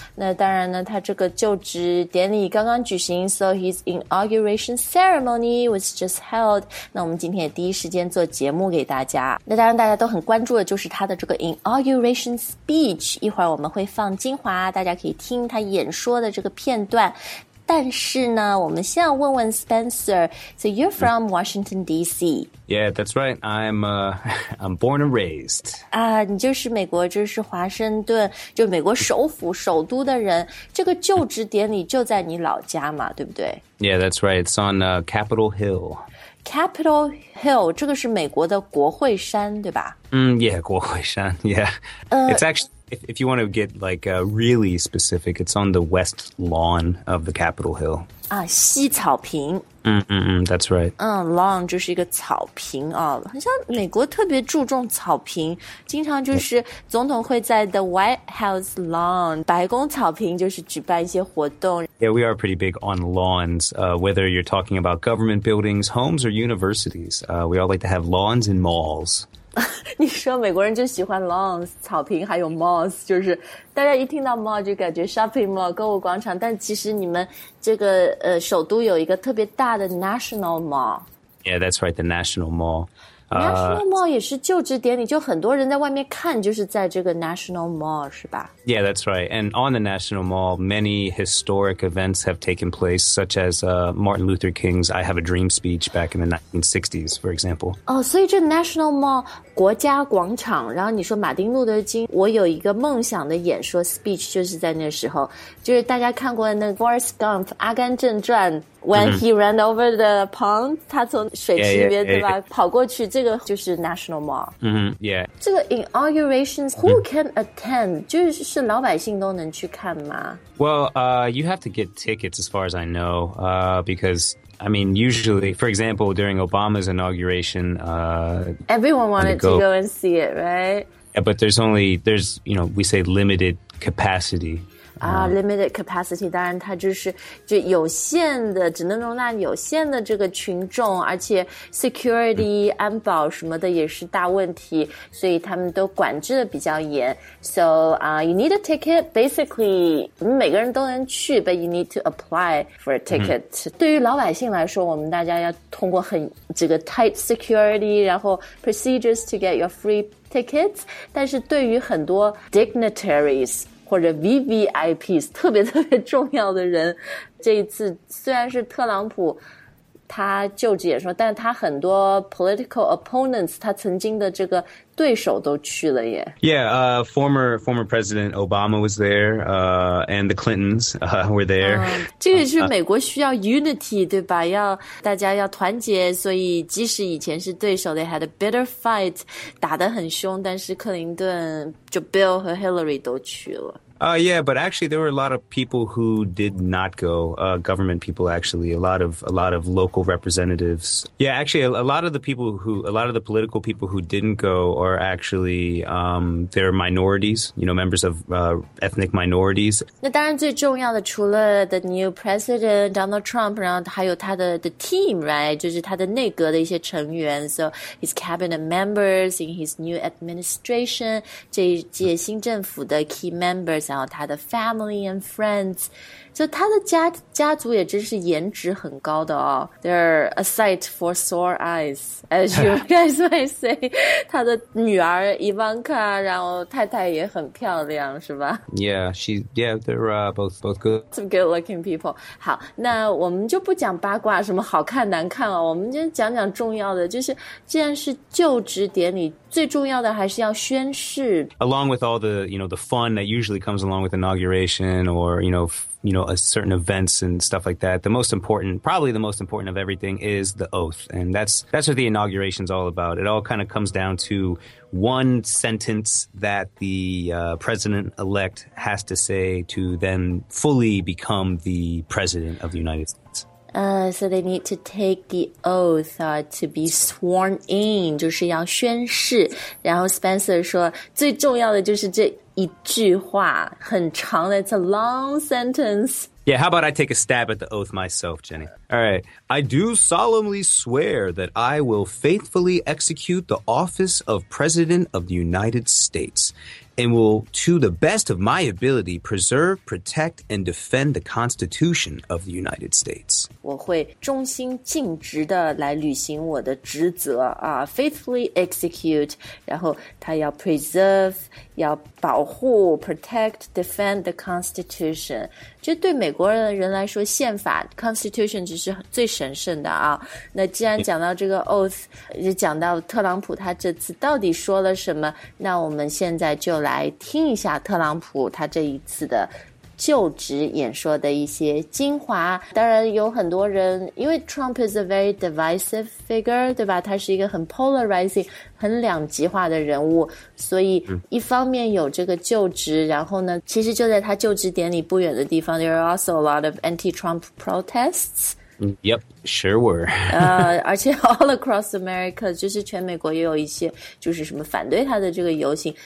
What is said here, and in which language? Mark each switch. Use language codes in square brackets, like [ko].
[zh] 那当然呢，他这个就职典礼刚刚举行 , [en] so his inauguration ceremony was just held. [zh] 那我们今天也第一时间做节目给大家。那当然大家都很关注的就是他的这个 inauguration speech。一会儿我们会放精华，大家可以听他演说的这个片段。但是呢，我们先要问问 Spencer. [en] So you're from Washington, D.C. Yeah, that's right. I'm born and raised. [zh] 你就是美国，就是华盛顿，就美国首府、首都的人。这个就职典礼就在你老家嘛，对不对？ [en] Yeah, that's right. It's on Capitol Hill. [zh] Capitol Hill, 这个是美国的国会山，对吧？ [en] Yeah, [zh] 国会山, [en] yeah. It's actually... If you want to get like really specific, it's on the west lawn of the Capitol Hill. [zh] 啊，西草坪。 [en] That's right. [zh] Lawn 就是一个草坪啊，好像美国特别注重草坪，经常就是总统会在 [en] the White House lawn [zh] 白宫草坪就是举办一些活动。 [en] Yeah, we are pretty big on lawns. Whether you're talking about government buildings, homes, or universities, we all like to have lawns and malls. [zh] 你说美国人就喜欢 lawns, 草坪还有 malls, 就是大家一听到 mall 就感觉 shopping mall, 购物广场，但其实你们这个首都有一个特别大的 national mall. [en] Yeah, that's right, the national mall. [zh] National mall 也是就职典礼，就很多人在外面看，就是在这个 national mall, 是吧？ [en] Yeah, that's right. And on the national mall, many historic events have taken place, such as Martin Luther King's I Have a Dream speech back in the 1960s, for example. [zh] 哦，所以这 national mall... 国家广场，然后你说马丁路德金我有一个梦想的演说 speech 就是在那时候，就是大家看过那 Forrest Gump 阿甘正传 [en] when he ran over the pond [zh] 他从水池里面 [en] yeah, [zh] 对吧 跑过去，这个就是 National Mall、 [en] yeah. [zh] 这个 [en] inauguration who can attend、 [zh] 就是、是老百姓都能去看吗？ [en] Well, you have to get tickets as far as I know, becauseI mean, usually, for example, during Obama's inauguration... Everyone wanted to go and see it, right? Yeah, but there's, you know, we say limited capacity. Limited capacity, [zh] 当然它就是就有限的,只能容纳有限的这个群众,而且 security, 安保什么的也是大问题,所以他们都管制的比较严。 [en] So, you need a ticket, basically, [zh] 我们每个人都能去, [en] but you need to apply for a ticket. [zh] 对于老百姓来说,我们大家要通过很这个 tight security, 然后 [en] procedures to get your free tickets, [zh] 但是对于很多 dignitaries, 或者 VVIPs 特别特别重要的人，这一次虽然是特朗普他就职演说，但他很多 political opponents 他曾经的这个对手都去了耶。 [en] Yeah, former President Obama was there, and the Clintons were there. [zh] 这个是美国需要 unity, 对吧？要大家要团结，所以即使以前是对手 [en] they had a bitter fight, [zh] 打得很凶，但是克林顿就 Bill 和 Hillary 都去了。 [en] Yeah, but actually there were a lot of people who did not go, government people actually, a lot of local representatives. Yeah, actually a lot of the political people who didn't go are actually, they're minorities, you know, members of, ethnic minorities. [zh] 那当然最重要的除了 [en] the new president, [zh] Donald Trump, 然后还有他的 [en] the team, right? [zh] 就是他的内阁的一些成员。 [en] So his cabinet members in his new administration, [zh] 这一届新政府的 key members,然后他的 [en] family and friends, [zh] 就他的 家族也真是颜值很高的哦。 [en] They're a sight for sore eyes, as you guys might say. [zh] 他的女儿 Ivanka, 然后太太也很漂亮，是吧？ [en] Yeah, they're both good. Some good looking people. [zh] 好，那我们就不讲八卦什么好看难看了，我们就讲讲重要的，就是既然是就职典礼，最重要的还是要宣誓。 [en] Along with all the, you know, the fun that usually comes along with inauguration or, you know, a certain events and stuff like that. Probably the most important of everything is the oath. And that's what the inauguration is all about. It all kind of comes down to one sentence that the president-elect has to say to then fully become the president of the United States. So they need to take the oath, to be sworn in, [zh] 就是要宣誓。然后 Spencer 说最重要的就是这一句话很长的 [en] it's a long sentence. Yeah, how about I take a stab at the oath myself, Jenny? All right. I do solemnly swear that I will faithfully execute the office of President of the United States and will, to the best of my ability, preserve, protect, and defend the Constitution of the United States. [zh] 我会忠心尽职的来履行我的职责啊、 [en] faithfully execute, [zh] 然后他要 preserve, 要保护 protect, defend the Constitution. 就对美国人来说宪法 Constitution 只是最神圣的啊。那既然讲到这个 oath, 就讲到特朗普他这次到底说了什么，那我们现在就来听一下特朗普他这一次的就职演说的一些精华。当然有很多人，因为 [en] Trump is a very divisive figure, [zh] 对吧？他是一个很 polarizing, 很两极化的人物，所以一方面有这个就职，然后呢，其实就在他就职典礼不远的地方 [en] there are also a lot of anti-Trump protests. Yep, sure were. [zh] 而且 [en] all across America, [zh] 就是全美国也有一些就是什么反对他的这个游行。